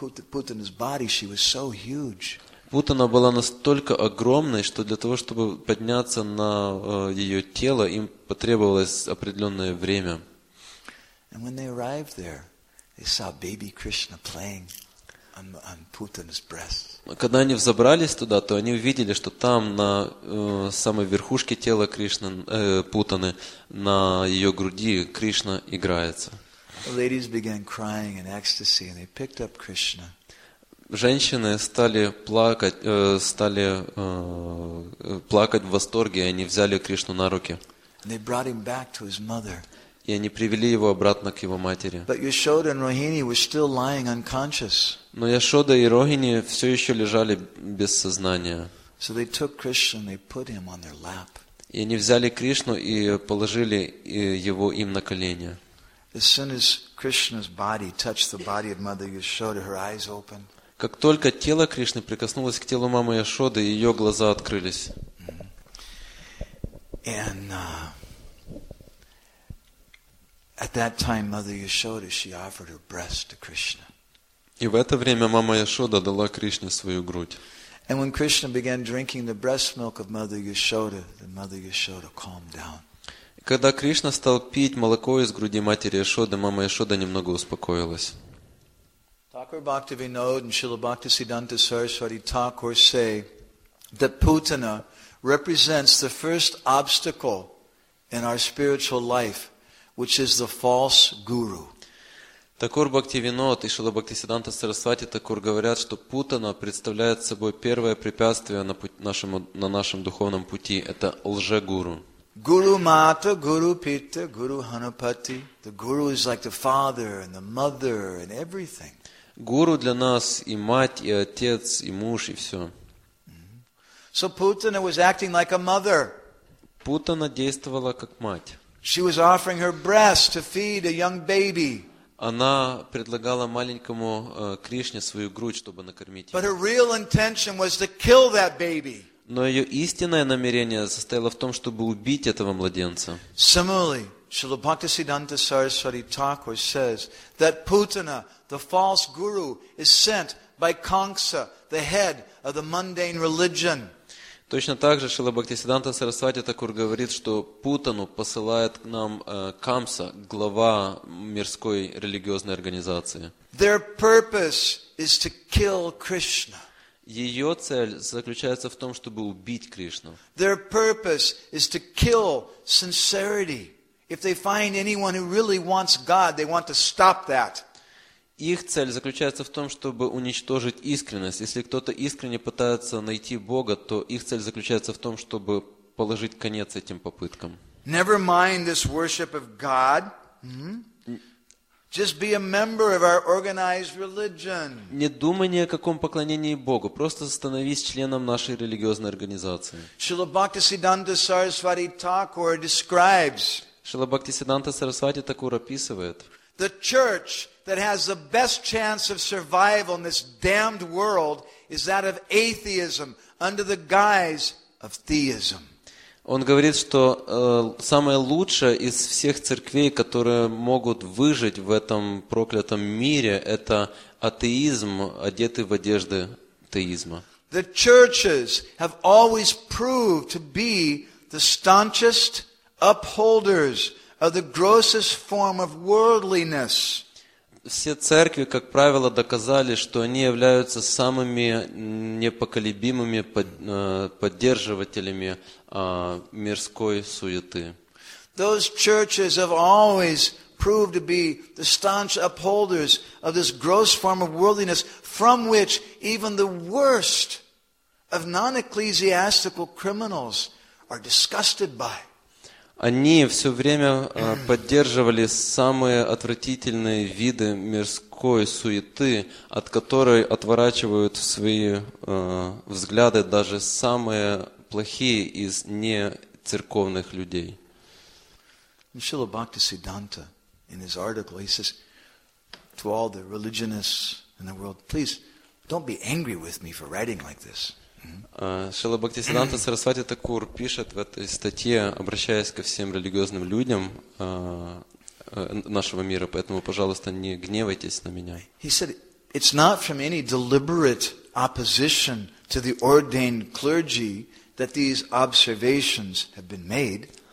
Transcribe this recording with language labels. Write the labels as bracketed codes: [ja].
[ru] Путана была настолько огромной, что для того, чтобы подняться на ее тело, им потребовалось определенное время. [en] And when they arrived there, they saw baby Krishna playing on Putana's breast. [ru] Когда они взобрались туда, то они увидели, что там на самой верхушке тела Кришны, Путаны, на ее груди Кришна играется. [en] The ladies began crying in ecstasy, and they picked up Krishna. [ru] Женщины стали плакать, в восторге, и они взяли Кришну на руки. [en] And they brought him back to his mother. [ru] И они привели его обратно к его матери. Но Яшода и Рогини все еще лежали без сознания. И они взяли Кришну и положили его им на колени. Как только тело Кришны прикоснулось к телу мамы Яшоды, ее глаза открылись. [en] At that time, Mother Yashoda, she offered her breast to Krishna. [ru] И в это время мама Яшода дала Кришне свою грудь. [en] And when Krishna began drinking the breast milk of Mother Yashoda, then Mother Yashoda calmed down. [ru] Когда Кришна стал пить молоко из груди матери Яшоды, мама Яшода немного успокоилась. [en] Thakur Bhaktivinoda and Srila Bhakti Siddhanta Saraswati Thakur say that Putana represents the first obstacle in our spiritual life, which is the false guru. [ru] Такур Бхактивинод и Шрила Бхактисиддханта Сарасвати Такур говорят, что Путана представляет собой первое препятствие на нашем духовном пути. Это лже-гуру. [sa] Guru Mata, Guru Pita, Guru Hanupati. [en] The guru is like the father and the mother and everything. [ru] Гуру для нас и мать, и отец, и муж, и все. [en] So Putana was acting like a mother. [ru] Путана действовала как мать. [en] She was offering her breast to feed a young baby. [ru] Она предлагала маленькому Кришне свою грудь, чтобы накормить его. [en] But her real intention was to kill that baby. [ru] Но ее истинное намерение состояло в том, чтобы убить этого младенца. [en] Similarly, Srila Bhaktisiddhanta Saraswati Thakur says that Putana, the false guru, is sent by Kongsa, the head of the mundane religion. [ru] Точно так же Шрила Бхактисиддханта Сарасвати Такур говорит, что Путану посылает к нам Камса, глава мирской религиозной организации. [en] Their purpose is to kill Krishna. [ru] Ее цель заключается в том, чтобы убить Кришну. [en] Their purpose is to kill sincerity. If they find anyone who really wants God, they want to stop that. [ru] Их цель заключается в том, чтобы уничтожить искренность. Если кто-то искренне пытается найти Бога, то их цель заключается в том, чтобы положить конец этим попыткам. [en] Never mind this worship of God. Mm-hmm. Just be a member of our organized religion. [ru] Не думай ни о каком поклонении Богу, просто становись членом нашей религиозной организации. [en] Srila Bhaktisiddhanta Sarasvati Thakur describes. [ru] Srila Bhaktisiddhanta Sarasvati Thakur описывает. [en] The church that has the best chance of survival in this damned world is that of atheism under the guise of theism. [ru] Он говорит, что самое лучшее из всех церквей, которые могут выжить в этом проклятом мире, это атеизм, одетый в одежды теизма. [en] The churches have always proved to be the staunchest upholders of the grossest form of worldliness. [ru] Все церкви, как правило, доказали, что они являются самыми непоколебимыми поддерживателями мирской суеты. [en] Those churches have always proved to be the staunch upholders of this gross form of worldliness from which even the worst of non-ecclesiastical criminals are disgusted by. [ru] Они все время поддерживали самые отвратительные виды мирской суеты, от которой отворачивают свои взгляды даже самые плохие из нецерковных людей. [en] Шрила Бхактисиддханта in his article, he says to all the religionists in the world, please don't be angry with me for writing like this. [ru] Шрила Бхактисиддханта Сарасвати Такур пишет в этой статье, обращаясь ко всем религиозным людям нашего мира, поэтому, пожалуйста, не гневайтесь на меня. [en] He said, it's not from any deliberate opposition to the ordained clergy that these observations have been made.